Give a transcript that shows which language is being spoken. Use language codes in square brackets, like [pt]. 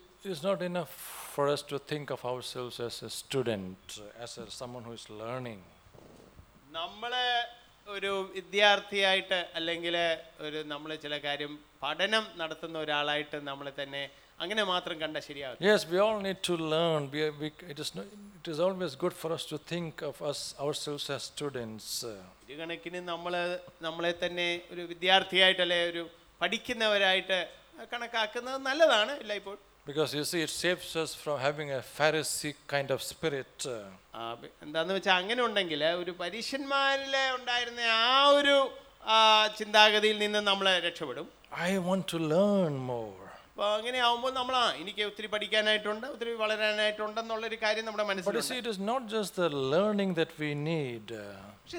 [en] It's not enough for us to think of ourselves as a student, as a someone who is learning. [ml] നമ്മളെ ഒരു വിദ്യാർത്ഥിയായിട്ട് അല്ലെങ്കിൽ ഒരു നമ്മൾ ചില കാര്യം പഠനം നടത്തുന്ന ഒരാളായിട്ട് നമ്മളെ തന്നെ അങ്ങനെ മാത്രം കണ്ട ശരിയാവില്ല. [en] Yes, we all need to learn. It is always good for us to think of ourselves as students. [ml] ഇതിനെക്കിനെ നമ്മളെ തന്നെ ഒരു വിദ്യാർത്ഥിയായിട്ട് അല്ലെങ്കിൽ ഒരു പഠിക്കുന്നവരായിട്ട് കണക്കാക്കുന്നത് നല്ലതാണ് ഇല്ലായിപ്പോൾ. [en] Because you see, it saves us from having a Pharisee kind of spirit. [ml] എന്താണെന്ന് വെച്ചാൽ അങ്ങനെ ഉണ്ടെങ്കിൽ ഒരു പരീശന്മാരിലെ ഉണ്ടായിരുന്ന ആ ഒരു ചിന്താഗതിയിൽ നിന്ന് നമ്മൾ രക്ഷപ്പെടും. [en] I want to learn more. [ml] അപ്പോൾ അങ്ങനെ ആവുമ്പോൾ നമ്മളാ എനിക്ക് ഒത്തിരി പഠിക്കാനായിട്ടുണ്ട് ഒത്തിരി വളരാനായിട്ടുണ്ട് എന്നുള്ളൊരു കാര്യം നമ്മുടെ മനസ്സിലുണ്ട്. പക്ഷേ